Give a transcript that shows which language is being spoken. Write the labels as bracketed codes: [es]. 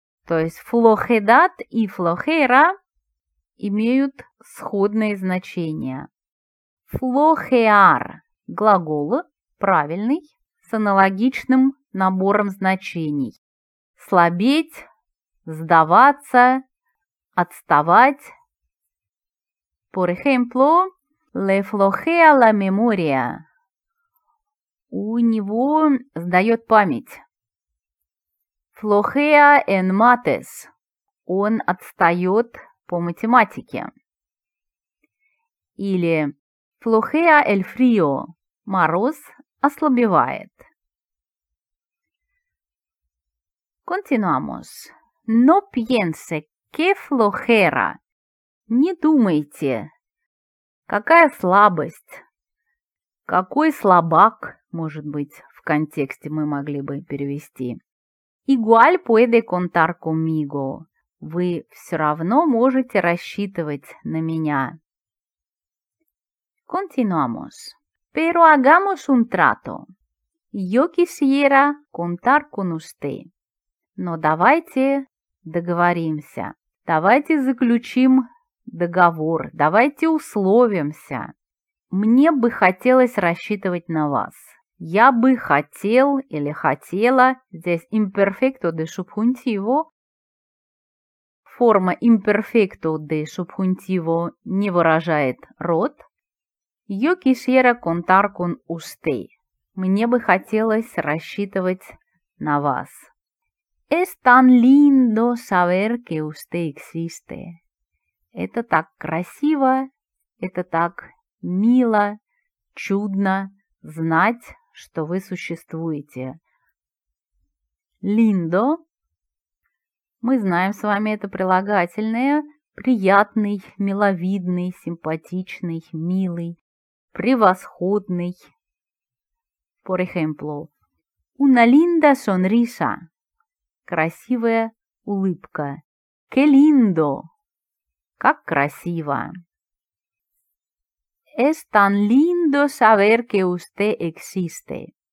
[ru] То есть флохедат и флохейра имеют сходные значения. Флохеар – глагол правильный с аналогичным набором значений. Слабеть, сдаваться, отставать. [es] Por ejemplo, le flojea la memoria. [ru] У него сдаёт память. [es] Flojea en mates. [ru] Он отстаёт по математике. [es] Или flojea el frío. [ru] Мороз ослабевает. [es] Continuamos. No piense que flojera. [ru] Не думайте. Какая слабость? Какой слабак, может быть, в контексте мы могли бы перевести? [es] Igual puede contar conmigo. [ru] Вы все равно можете рассчитывать на меня. [es] Continuamos. Pero hagamos un trato. Yo quisiera contar con usted. [ru] Но давайте договоримся. Давайте заключим договор. Давайте условимся. Мне бы хотелось рассчитывать на вас. Я бы хотел или хотела. Здесь imperfecto de subjuntivo. Форма imperfecto de subjuntivo не выражает род. [es] Yo quisiera contar con usted. [ru] Мне бы хотелось рассчитывать на вас. [es] Es tan lindo saber que usted existe. [ru] Это так красиво, это так мило, чудно знать, что вы существуете. [es] Lindo. [ru] Мы знаем с вами это прилагательное. Приятный, миловидный, симпатичный, милый, превосходный. [es] Por ejemplo, una linda sonrisa. [ru] Красивая улыбка. [es] Qué lindo. [ru] Как красиво. [es] Es tan lindo saber que usted existe.